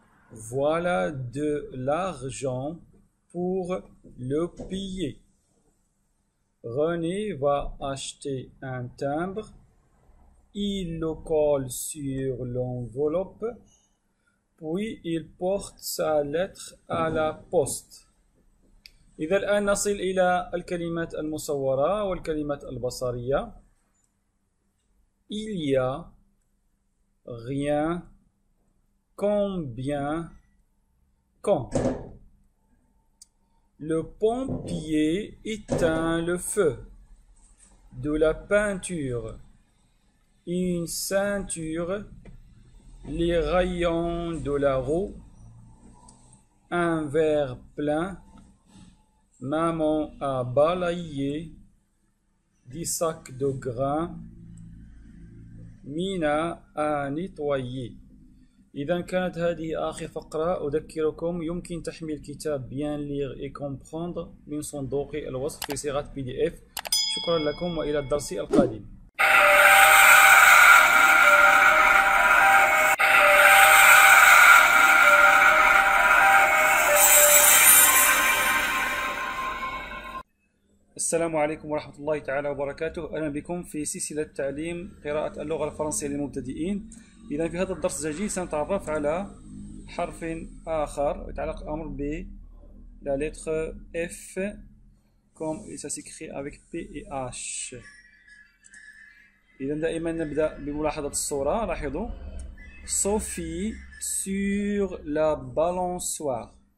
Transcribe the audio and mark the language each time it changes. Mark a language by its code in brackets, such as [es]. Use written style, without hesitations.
[fr] Voilà de l'argent pour le payer. René va acheter un timbre. Il le colle sur l'enveloppe. Puis il porte sa lettre à la poste. [ar] إذا الآن نصل إلى الكلمات المصورة والكلمات البصرية. [fr] Il y a, rien, combien, quand. Le pompier éteint le feu de la peinture. Une ceinture. Les rayons de la roue, un verre plein, maman a balayé, des sacs de grains, Mina a nettoyé. [ar] إذا كانت هذه آخر فقرة أذكركم يمكن تحميل كتاب Bien lire et comprendre من صندوق الوصف في صيغة PDF. شكرا لكم وإلى الدرس القادم. السلام عليكم ورحمة الله تعالى وبركاته. أهلا بكم في سلسلة تعليم قراءة اللغة الفرنسية للمبتدئين. إذا في هذا الدرس الزجي سنتعرف على حرف آخر يتعلق الأمر ب [fr] la lettre F comme il s'écrit avec P et H. [ar] إذا دائما نبدأ بملاحظة الصورة. لاحظوا [fr] Sophie sur la balançoire.